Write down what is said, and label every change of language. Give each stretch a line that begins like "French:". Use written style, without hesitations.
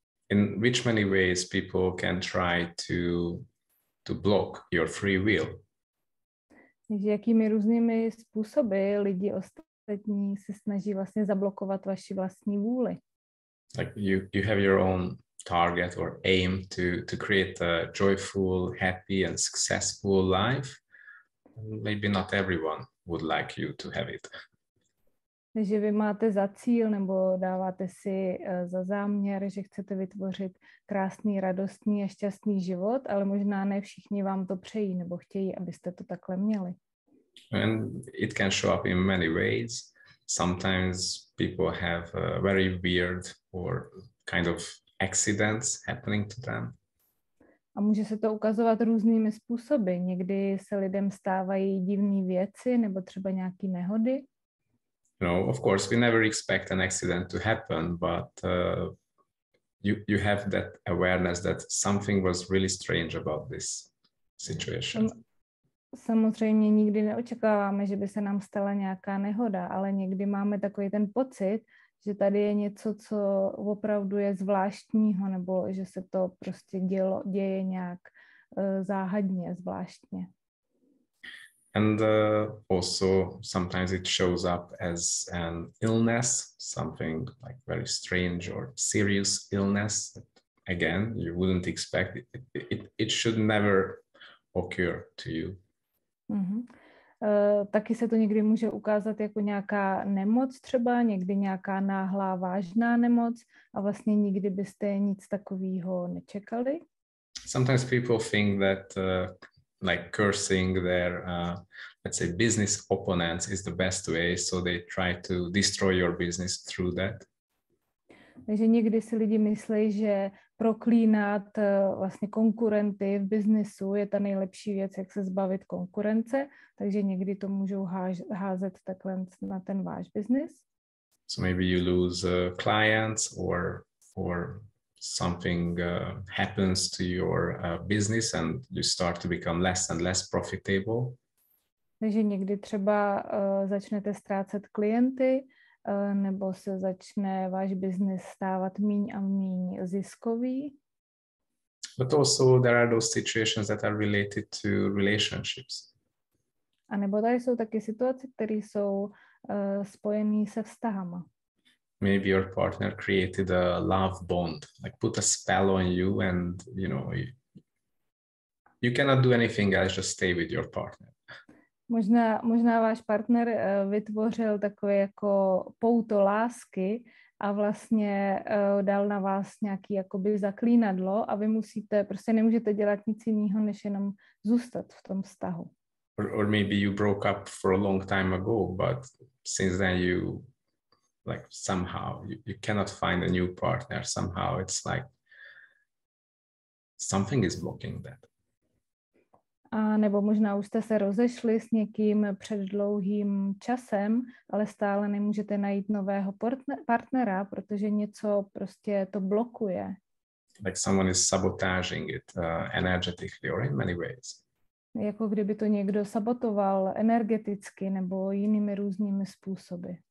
English: In which many ways people can try to block your free will.
Czech: Takže jakými různými způsoby lidi ostatní se snaží vlastně zablokovat vaši vlastní vůli.
English: Like you have your own target or aim to create a joyful, happy and successful life. Maybe not everyone would like you to have it.
Czech: Takže vy máte za cíl nebo dáváte si za záměr, že chcete vytvořit krásný, radostný a šťastný život, ale možná ne všichni vám to přejí nebo chtějí, abyste to takhle měli.
English: And it can show up in many ways. Sometimes people have very weird or kind of accidents happening to them.
Czech: A může se to ukazovat různými způsoby. Někdy se lidem stávají divné věci nebo třeba nějaké nehody.
English: No, of course, we never expect an accident to happen, but you have that awareness that something was really strange about this situation.
Czech: Samozřejmě nikdy neočekáváme, že by se nám stala nějaká nehoda, ale někdy máme takový ten pocit, že tady je něco, co opravdu je zvláštního, nebo že se to prostě děje nějak záhadně, zvláštně.
English: And also sometimes it shows up as an illness, something like very strange or serious illness that, again, you wouldn't expect it. It should never occur to you.
Czech: Taky se to někdy může ukázat jako nějaká nemoc třeba, někdy nějaká náhlá vážná nemoc a vlastně nikdy byste nic takového nečekali.
English: Sometimes people think that like cursing their let's say business opponents is the best way, so they try to destroy your business through that.
Czech: Takže někdy si lidi myslí, že proklínat vlastně konkurenty v biznesu je ta nejlepší věc, jak se zbavit konkurence, takže někdy to můžou házet takhle na ten váš biznis.
English: So maybe you lose clients or something happens to your business and you start to become less and less profitable.
Czech: Takže někdy třeba začnete ztrácet klienty, nebo se začne váš biznis stávat míň a míň ziskový.
English: But also there are those situations that are related to relationships.
Czech: A nebo tady jsou taky situace, které jsou spojené se vztahama.
English: Maybe your partner created a love bond, like put a spell on you, and you cannot do anything else, just stay with your partner.
Czech: Možná váš partner vytvořil takové jako pouto lásky a vlastně dal na vás nějaký jakoby zaklínadlo a vy musíte, prostě nemůžete dělat nic jiného, než jenom zůstat v tom vztahu.
English: Or maybe you broke up for a long time ago, but since then you. Like somehow you cannot find a new partner. Somehow it's like something is blocking that.
Czech: A nebo možná už jste se rozešli s někým před dlouhým časem, ale stále nemůžete najít nového partnera, protože něco prostě to blokuje.
English: Like someone is sabotaging it energetically or in many ways.
Czech: Jako kdyby to někdo sabotoval energeticky nebo jinými různými způsoby.